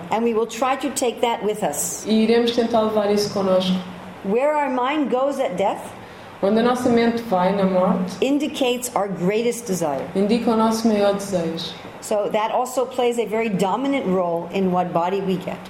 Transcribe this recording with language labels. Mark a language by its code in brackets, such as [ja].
[en] And we will try to take that with us. [pt] E iremos tentar levar isso connosco. [en] Where our mind goes at death, [pt] onde a nossa mente vai na morte, [en] indicates our greatest desire. [pt] Indica o nosso maior desejo. [en] So that also plays a very dominant role in what body we get.